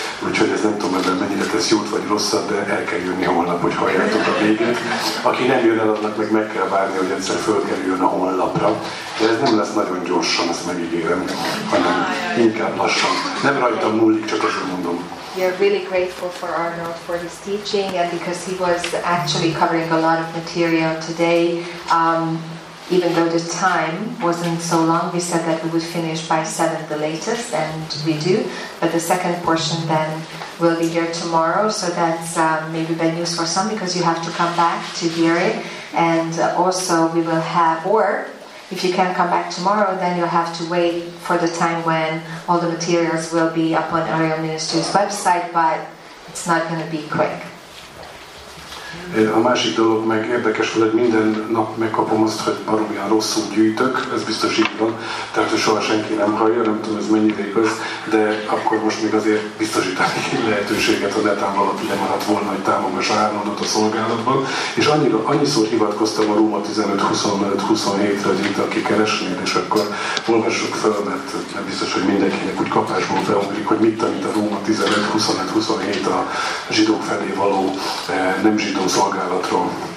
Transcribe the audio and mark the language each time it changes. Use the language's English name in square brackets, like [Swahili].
[Hungarian] Úgyhogy ez nem tudom, ebben mennyire tesz jót vagy rosszat, de el kell jönni holnap, hogy halljátok a végét. Aki nem jön el, annak meg kell várni, hogy egyszer fölkerüljön a honlapra. De ez nem lesz nagyon gyorsan, ezt megígérem, hanem inkább lassan. Nem rajtam múlik, csak azon mondom. [English] We are really grateful for Arnold for his teaching and because he was actually covering a lot of material today. Even though the time wasn't so long, we said that we would finish by 7 the latest, and we do. But the second portion then will be here tomorrow, so that's maybe bad news for some because you have to come back to hear it. And also we will have, or if you can't come back tomorrow, then you'll have to wait for the time when all the materials will be up on Ariel Ministries website, but it's not going to be quick. [Hungarian] A másik dolog meg érdekes, hogy minden nap megkapom azt, hogy baromian rosszul gyűjtök, ez biztos így van, tehát hogy soha senki nem hallja, nem tudom ez mennyi igaz, de akkor most még azért biztosítani egy lehetőséget, ha netán valaki lemaradt volna, hogy támogassa Arnoldot a szolgálatban, és annyiszor hivatkoztam a Róma 15-25-27-re, hogy itt aki keresnél, és akkor olvassuk fel, mert nem biztos, hogy mindenkinek úgy kapásból felmerik, hogy mit tanít a Róma 15-25-27 a zsidók felé való nem zsidó szolgálatról.